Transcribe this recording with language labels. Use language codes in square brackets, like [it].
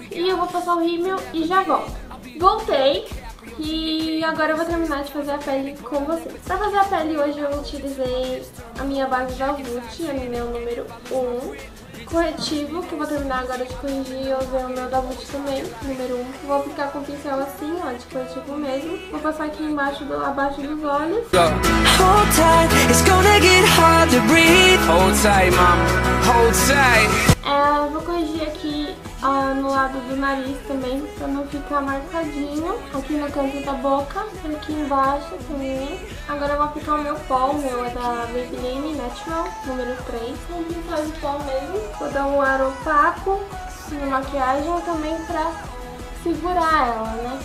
[pt] E eu vou passar o rímel e já volto. Voltei. E agora eu vou terminar de fazer a pele com vocês. Pra fazer a pele hoje, eu utilizei a minha base da Vult, a meu número 1. Corretivo, que eu vou terminar agora de corrigir, eu usei o meu da Vult também, número 1. Vou aplicar com o pincel assim, ó, de corretivo mesmo. Vou passar aqui embaixo, abaixo dos olhos. [en] Hold tight, it's gonna get hard to breathe. Hold tight, mom. Hold tight. [pt] Vou corrigir aqui no lado do nariz também, pra não ficar marcadinho. Aqui no canto da boca, aqui embaixo também. Agora eu vou aplicar o meu pó, o meu é da Maybelline Natural, número 3. Um pincel de pó mesmo. Vou dar um ar opaco na maquiagem também pra segurar ela, né?